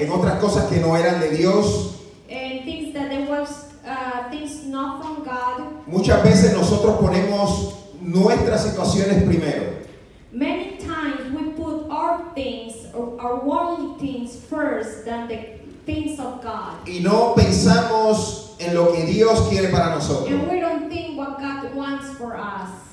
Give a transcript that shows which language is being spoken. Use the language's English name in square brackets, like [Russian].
[Spanish] En otras cosas que no eran de Dios. [English] And things that there was things not from God. [Spanish] Muchas veces nosotros ponemos nuestras situaciones primero. [English] Many times we put our things, our worldly things first than the things of God. [Spanish] Y no pensamos en lo que Dios quiere para nosotros. [English] And we don't think what God wants for us.